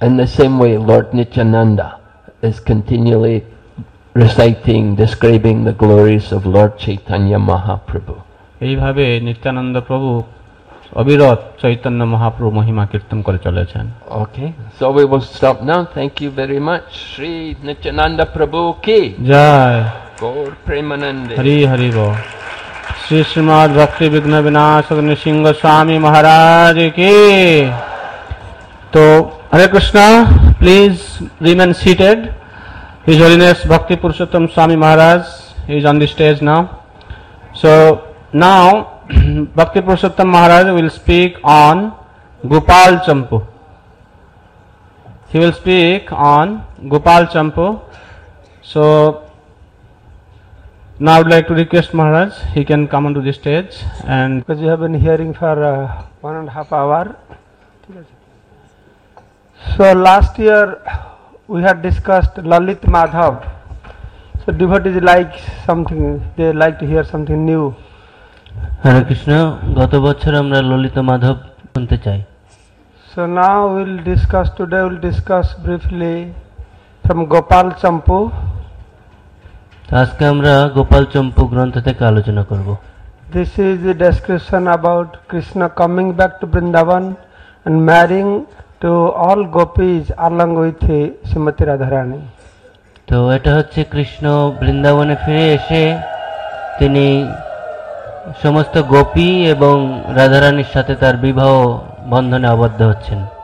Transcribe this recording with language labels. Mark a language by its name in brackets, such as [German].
[English] In the same way, Lord Nityananda is continually reciting, describing the glories of Lord Chaitanya Mahaprabhu. [Bangla] এইভাবে নিত্যানন্দ প্রভু অবিরত চৈতন্য মহাপ্রভু মহিমা কীর্তন করে চলেছেন। [English] Okay, so we will stop now. Thank you very much. [Bangla] Sri Nityananda Prabhu ki jai. Gaur Premanande. Hari Hari Bo. Shri Shrimad ভক্তি বিঘ্ন বিনাশক নৃসিংহ স্বামী মহারাজ কি। [English] তো Hare Krishna, please remain seated. His holiness Bhakti Purushottam Swami Maharaj is on the stage now. So now Bhakti Purushottam Maharaj will speak on Gopal Champu. He will speak on Gopal Champu. So now I would like to request Maharaj, he can come onto the stage. And because you have been hearing for 1.5 hours, so last year we had discussed Lalit Madhav. So devotees like something, they like to hear something new. [Bangla] Hare Krishna, gato bochhor amra Lalit Madhav shunte chai. [English] So now we'll discuss briefly from Gopal Champu. [Bangla] আজকে আমরা গোপাল চম্পু গ্রন্থ থেকে আলোচনা করব। [English] This is a description about Krishna coming back to Vrindavan and marrying to all gopis along with Shrimati Radharani. [Bangla] তো এটা হচ্ছে কৃষ্ণ বৃন্দাবনে ফিরে এসে তিনি সমস্ত গোপী এবং রাধারানীর সাথে তার বিবাহ বন্ধনে আবদ্ধ হচ্ছেন।